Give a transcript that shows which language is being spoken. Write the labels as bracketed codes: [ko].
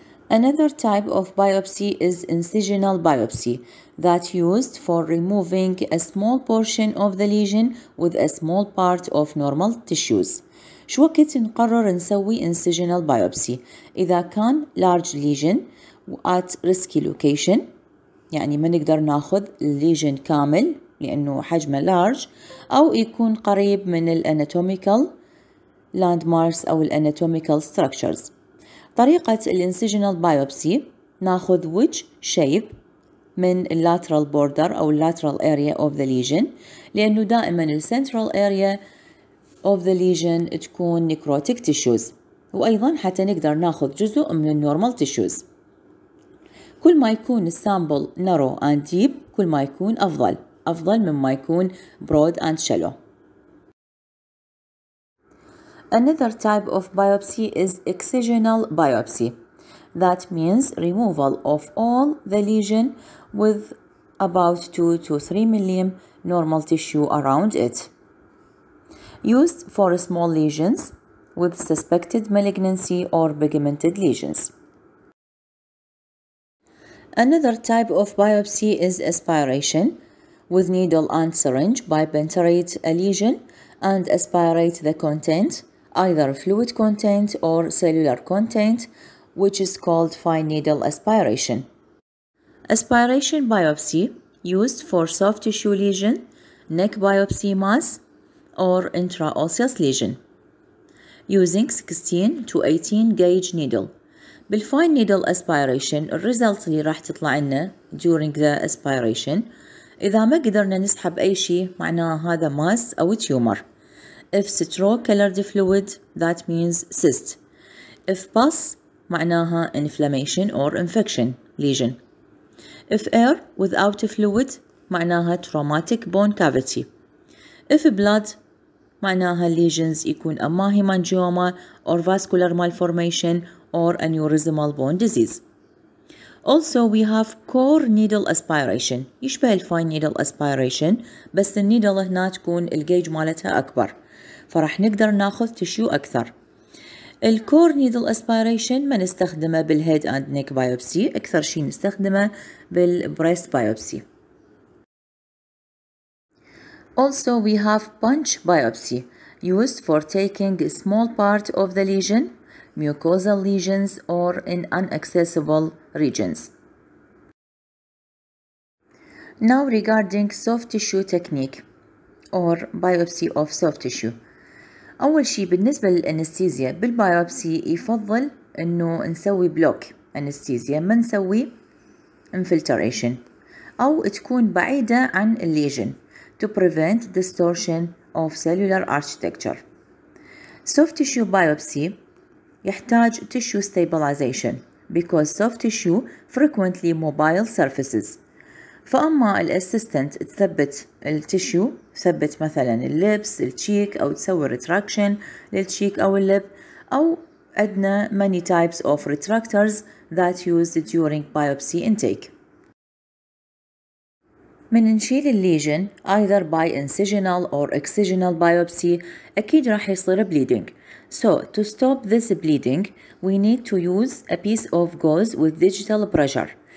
[en] Another type of biopsy is incisional biopsy that used for removing a small portion of the lesion with a small part of normal tissues. [ar] شو وقت نقرر نسوي incisional biopsy؟ إذا كان [en] large lesion at risky location, [ar] يعني ما نقدر ناخذ lesion كامل لأنه حجمه large, أو يكون قريب من الanatomical landmarks أو الanatomical structures. طريقة الانسيجنال بايوبسي, ناخذ وجه شيب من [en] اللاترال بوردر او اللاترال اريا اوف ذا ليجن, [ar] لانه دائما [en] السنترال area of the lesion [ar] تكون نيكروتيك تيشوز, وايضا حتى نقدر ناخذ جزء من النورمال تيشوز. كل ما يكون السامبل [en] narrow and deep [ar] كل ما يكون افضل, افضل مما يكون [en] Broad and shallow. Another type of biopsy is excisional biopsy. That means removal of all the lesion with about 2 to 3 mm normal tissue around it. Used for small lesions with suspected malignancy or pigmented lesions. Another type of biopsy is aspiration with needle and syringe by penetrate a lesion and aspirate the content, either fluid content or cellular content, which is called fine needle aspiration. Aspiration biopsy used for soft tissue lesion, neck biopsy mass, or intraosseous lesion. Using 16 to 18 gauge needle. [ar] بالfine needle aspiration, الريزلت اللي راح تطلع لنا [en] during the aspiration, [ar] إذا ما قدرنا نسحب أي شيء معناه هذا mass أو tumor. [en] If straw-colored fluid, that means cyst. If pus, [ar] معناها [en] inflammation or infection, lesion. If air, without fluid, [ar] معناها [en] traumatic bone cavity. If blood, [ar] معناها [en] lesions [ar] يكون أما [en] hemangioma or vascular malformation or aneurysmal bone disease. Also, we have core needle aspiration. [ar] يشبه الفاين needle aspiration, بس النيدل هنا تكون الجيج مالتها أكبر. فرح نقدر ناخذ تشيو أكثر. الكور نيدل أسبيريشن ما نستخدمه [en] بالهيد and neck biopsy, [ar] أكثر شيء نستخدمه بالبريست بايوبسي. [en] Also we have punch biopsy used for taking a small part of the lesion, mucosal lesions or in inaccessible regions. Now regarding soft tissue technique or biopsy of soft tissue, [ar] أول شيء بالنسبة للأنستيزيا بالبايوبسي يفضل أنه نسوي بلوك أنستيزيا، ما نسوي انفلتريشن أو تكون بعيدة عن الليجن [en] to prevent distortion of cellular architecture. Soft tissue biopsy [ar] يحتاج [en] tissue stabilization because soft tissue frequently mobile surfaces. [ar] فأما الأسستنت تثبت التشيو، ثبت مثلا اللبس التشيك أو تسوي retraction للتشيك أو اللب، أو أدنى [en] many types of retractors that used during biopsy intake. [ar] من نشيل الليجن [en] either by incisional or excisional biopsy [ar] أكيد راح يصير bleeding. [en] So to stop this bleeding we need to use a piece of gauze with digital pressure.